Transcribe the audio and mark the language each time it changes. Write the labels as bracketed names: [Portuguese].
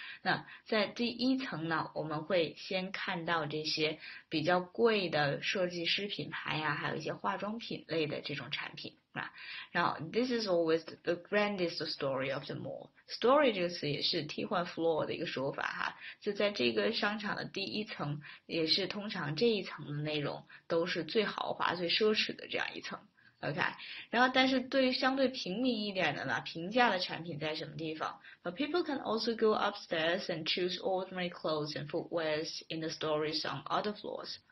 [Chinese] 那在第一层呢，我们会先看到这些比较贵的设计师品牌呀，还有一些化妆品类的这种产品。 [English] 然后，this is always the grandest story of the mall. [Chinese] Story 这个词也是替换 floor 的一个说法哈，就在这个商场的第一层，也是通常这一层的内容都是最豪华、最奢侈的这样一层。 [English] OK，然后但是对于相对平民一点的呢，平价的产品在什么地方？ But people can also go upstairs and choose ordinary clothes and footwears in the stores on other floors.